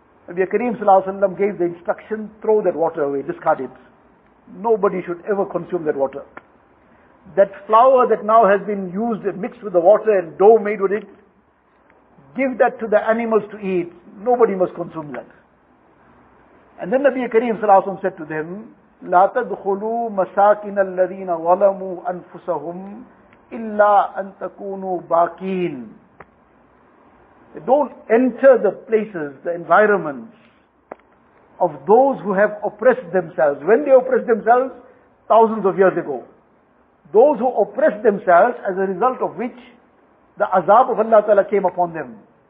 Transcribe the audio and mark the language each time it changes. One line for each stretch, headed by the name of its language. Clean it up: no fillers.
English: Nabi Kareem Sallallahu Alaihi Wasallam gave the instruction, throw that water away, discard it. Nobody should ever consume that water. That flour that now has been used and mixed with the water and dough made with it, give that to the animals to eat. Nobody must consume that. And then Nabi Kareem Sallallahu Alaihi Wasallam said to them,
Arabic: لا تدخلوا مساكن الذين ظلموا أنفسهم إلا أن تكونوا باقين.
English: Don't enter the places, the environments of those who have oppressed themselves. When they oppressed themselves, thousands of years ago. Those who oppressed themselves, as a result of which the azab of Allah Ta'ala came upon them.